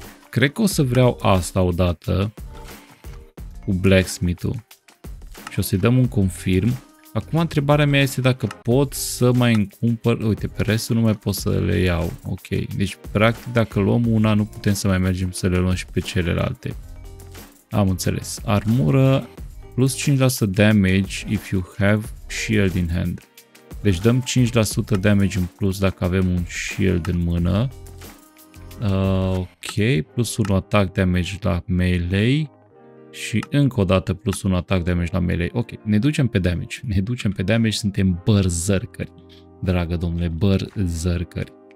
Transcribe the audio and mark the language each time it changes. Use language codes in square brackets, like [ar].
[ro] Cred că o să vreau asta odată cu blacksmith-ul și o să-i dăm un confirm. Acum întrebarea mea este dacă pot să mai îmi cumpăr, uite, pe restul nu mai pot să le iau, ok. Deci, practic, dacă luăm una, nu putem să mai mergem să le luăm și pe celelalte. Am înțeles. Armură, [en] plus 5% damage if you have shield in hand. [ro] Deci dăm 5% damage în plus dacă avem un shield în mână. Ok, plus 1 attack damage la melee. Și încă o dată plus un atac damage la melee. Ok, ne ducem pe damage. Ne ducem pe damage, suntem berserkeri. Dragă domnule, berserkeri.